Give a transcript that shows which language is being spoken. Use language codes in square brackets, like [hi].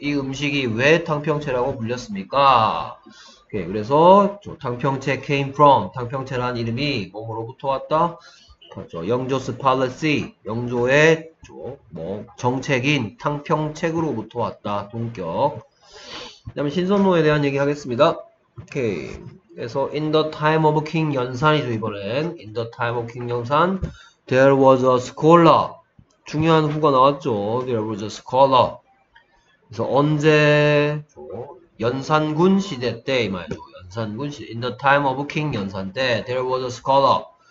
[ko] 이 음식이 왜 당평채라고 불렸습니까? 오케이, 그래서 당평채 [en] came from [ko] 당평채라는 이름이 뭐뭐로부터 왔다? 영조스 팔레시 영조의 뭐 정책인 탕평책으로부터 왔다 동격. 그다음에 신선로에 대한 얘기 하겠습니다. 오케이. 그래서 [en] in the time of King [ko] 연산이죠 이번엔. [en] In the time of King 연산 there was a scholar. [ko] 중요한 후가 나왔죠. [en] There was a scholar. [ko] 그래서 언제? 연산군 시대 때이 말이죠. 연산군 시대. [en] In the time of King [ko] 연산 때 [en] there was a scholar.